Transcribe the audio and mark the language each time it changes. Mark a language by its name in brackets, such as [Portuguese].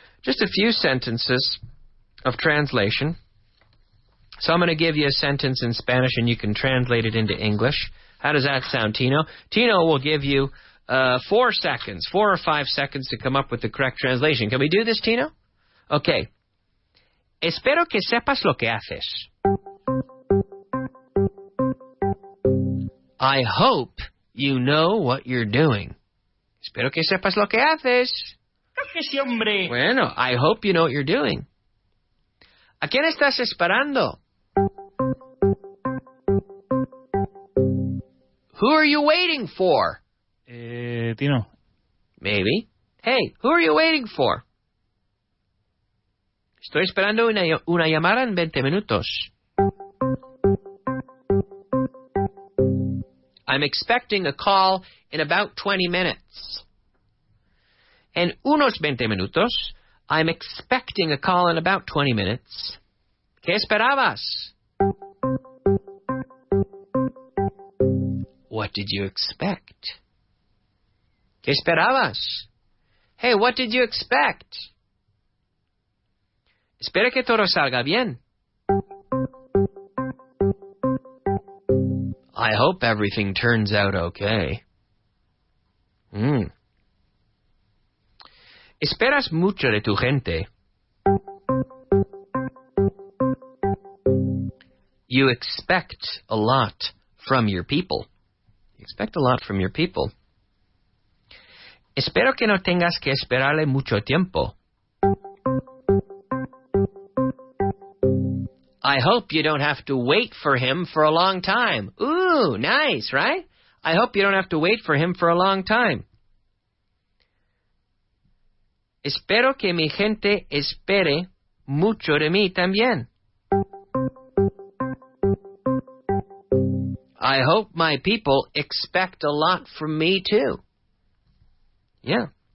[English] Just a few sentences of translation. So I'm going to give you a sentence in Spanish and you can translate it into English. How does that sound, Tino? Tino will give you 4 seconds, 4 or 5 seconds to come up with the correct translation. Can we do this, Tino? Okay. [Spanish] Espero que sepas lo que haces. [English] I hope you know what you're doing. [Spanish] Espero que sepas lo que haces. ¿Qué es, hombre? [English] Bueno, I hope you know what you're doing. [Spanish] ¿A quién estás esperando? [English] Who are you waiting for? Tino. Maybe. Hey, who are you waiting for? [Spanish] Estoy esperando una llamada en 20 minutos. [English] I'm expecting a call in about 20 minutes. [Spanish] En unos 20 minutos, [English] I'm expecting a call in about 20 minutes. [Spanish] ¿Qué esperabas? [English] What did you expect? [Spanish] ¿Qué esperabas? [English] Hey, what did you expect? [Spanish] Espero que todo salga bien. [English] I hope everything turns out okay. [Spanish] ¿Esperas mucho de tu gente? [English] You expect a lot from your people. Expect a lot from your people. [Spanish] Espero que no tengas que esperarle mucho tiempo. [English] I hope you don't have to wait for him for a long time. Ooh, nice, right? I hope you don't have to wait for him for a long time. [Spanish] Espero que mi gente espere mucho de mí también. [English] I hope my people expect a lot from me, too. Yeah.